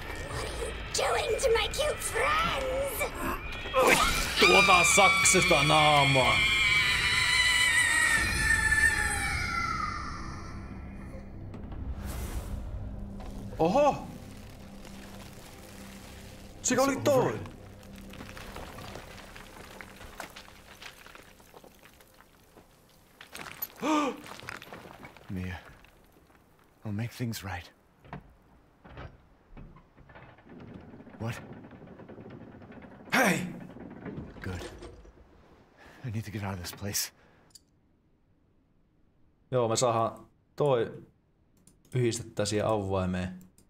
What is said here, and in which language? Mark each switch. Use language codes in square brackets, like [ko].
[en] What are you doing to my cute friends? [fi] Vittu, ota saksesta naamaa! Oho! Siinä oli toi! [en] Mia, I'll make things right. What? Hey! Good. I need to get out of this place. [fi] Joo, me saadaan toi yhdistettäisiin avaimeen.